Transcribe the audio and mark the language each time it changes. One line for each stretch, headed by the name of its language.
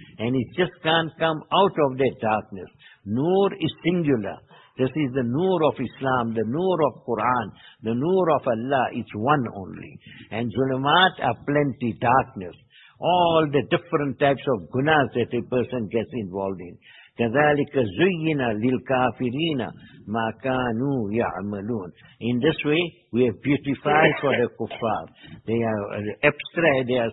English: And he just can't come out of that darkness. Noor is singular. This is the noor of Islam, the noor of Quran, the noor of Allah. It's one only. And zulumat are plenty, darkness. All the different types of gunas that a person gets involved in.
Arabic: كذلك زين للكافرين ما كانوا يعملون.
English: In this way, we have beautified for the kuffar. They are abstract.